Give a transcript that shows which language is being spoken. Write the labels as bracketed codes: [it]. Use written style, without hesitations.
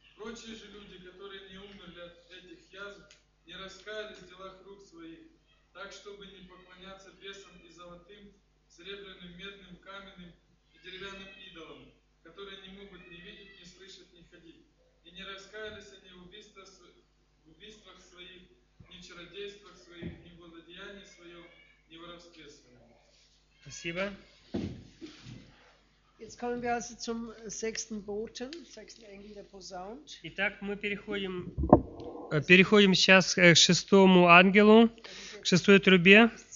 [ru] Прочие же люди, которые не умерли от этих язв, не раскаялись в делах рук своих, так, чтобы не поклоняться бесам и золотым, серебряным, медным, каменным и деревянным идолам, которые не могут ни видеть, ни слышать, ни ходить. И не раскаялись они в убийствах своих, ни в чародействах своих, ни в благодеянии своем, ни в воровстве своем. Спасибо. [de] Jetzt kommen wir also zum sechsten Boten, sechsten Engel, der Posaunt. [ru] Итак, мы переходим сейчас к шестому ангелу, к шестой трубе.